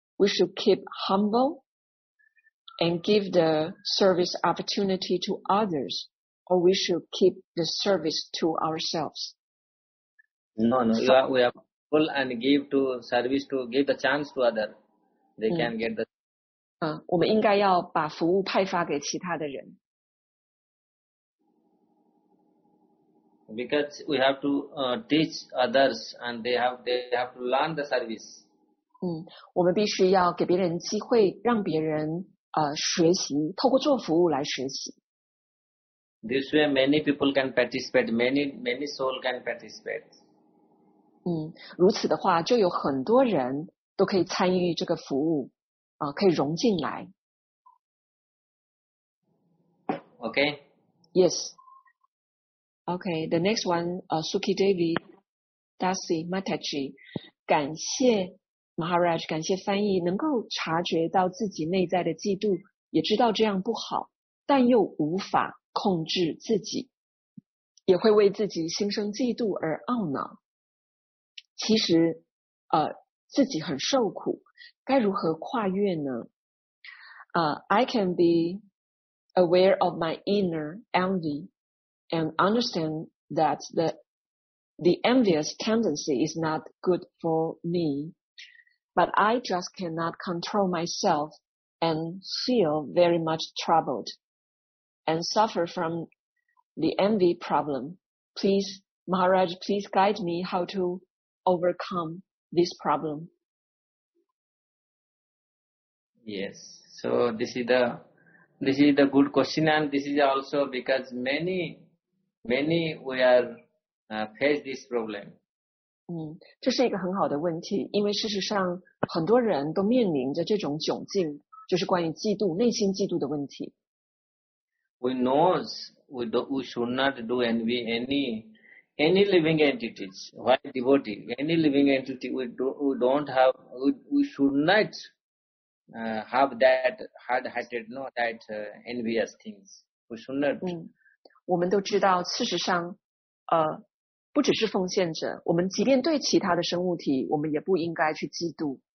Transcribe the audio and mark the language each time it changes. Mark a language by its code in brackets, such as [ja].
[en] We should keep humble and give the service opportunity to others. Or we should keep the service to ourselves. No. So, we are full and give to service to give the chance to other. They can get the. [zh] 我们应该要把服务派发给其他的人。 [en] Because we have to teach others, and they have to learn the service. [zh] 我们必须要给别人机会，让别人学习，透过做服务来学习。 [en] This way many people can participate, many soul can participate. [zh] 如此的话就有很多人都可以参与这个服务可以融进来。 [en] Okay? Yes. Okay, the next one, [zh] Suki Devi, Dasi, Mataji, 感谢 Maharaj, 感谢翻译能够察觉到自己内在的嫉妒，也知道这样不好，但又无法。控制自己，也会为自己心生嫉妒而懊恼。其实，自己很受苦，该如何跨越呢？ [en] I can be aware of my inner envy and understand that the envious tendency is not good for me, but I just cannot control myself and feel very much troubled. And suffer from the envy problem. Please, Maharaj, please guide me how to overcome this problem. Yes. So this is the good question, and this is also because many we are face this problem. [zh] 这是一个很好的问题，因为事实上很多人都面临着这种窘境，就是关于嫉妒，内心嫉妒的问题。 [en] We know we should not do envy any living entities. Why devotee? Any living entity we should not have that hard-hearted, no, that envious things. We should not. [zh] 我们都知道，事实上，不只是奉献者，我们即便对其他的生物体，我们也不应该去嫉妒。